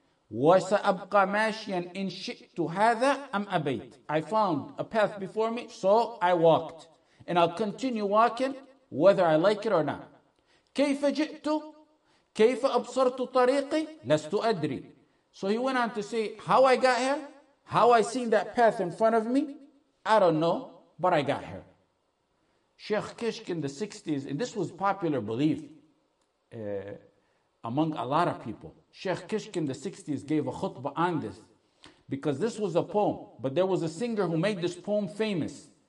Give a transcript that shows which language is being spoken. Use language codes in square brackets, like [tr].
[ar] وسأبقى ماشيا إن شئت هذا أم أبيت. [en] I found a path before me, so I walked. And I'll continue walking, whether I like it or not. [ar] كيف جئت؟ كيف أبصرت طريقي؟ لست أدري. [en] So he went on to say, how I got here? How I seen that path in front of me? I don't know, but I got here. Sheikh Kishk in the 60s, and this was popular belief among a lot of people. Sheikh Kishk in the 60s gave a khutbah on this, because this was a poem, but there was a singer who made this poem famous.